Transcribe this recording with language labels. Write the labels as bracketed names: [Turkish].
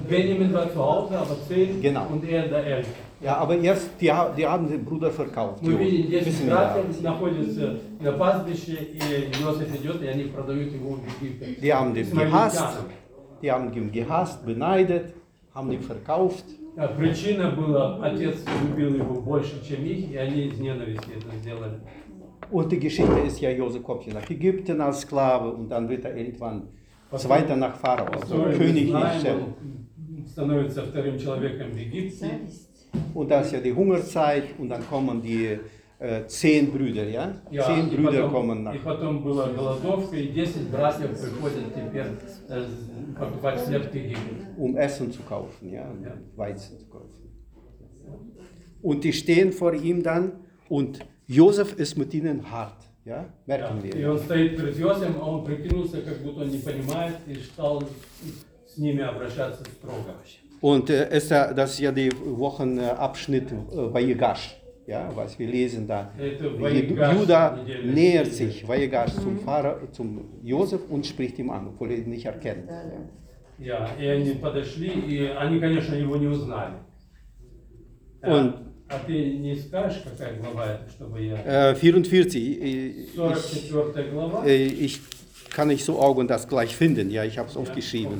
[German] Benjamin war zu Hause, aber zehn genau. Und er der Elf. Ja, aber erst, die haben den Bruder verkauft. Wir sehen, jetzt in Kroatien [Russian] находится на пастбище, и Josef идет, и они продают его в Египет. [German] Die haben ihn gehasst, die haben ihn gehasst, beneidet, haben ihn verkauft. [Russian] Ja, причина была, отец любил его больше, чем их, и они из ненависти это сделали. [German] Und die Geschichte ist ja, Josef kommt hier nach Ägypten als Sklave und dann wird er irgendwann zweiter nach Pharao, also König Israel. [Russian] Становится вторым человеком в Египте. [German] Und das ist ja die Hungerzeit und dann kommen die zehn Brüder, ja? Ja, zehn und Brüder [Russian] потом, [German] kommen nach. [Russian] И потом была голодовка, и 10 братьев приходят теперь покупать хлеб в Египет. [German] Um Essen zu kaufen, ja? Weizen zu kaufen. Und die stehen vor ihm dann und Josef ist mit ihnen hart, ja? Merken wir. Und er steht vor Josef, aber er [Russian] прикинулся, как будто он не понимает, и стал с ними обращаться строго. [German] Und ist ja, das ist ja der Wochenabschnitt Vayigash, ja, was wir lesen da. Judah nähert sich Vayigash zum Pharao, zum Josef und spricht ihm an, obwohl er ihn nicht erkennt. Ja, ja. Und sie [Russian] подошли, и они, конечно, его не узнали. [German] Und [Russian] а ты не скажешь, какая глава это, чтобы я... 44. 44. Глава. [German] Ich kann nicht so augen das gleich finden. Ja, ich habe es aufgeschrieben.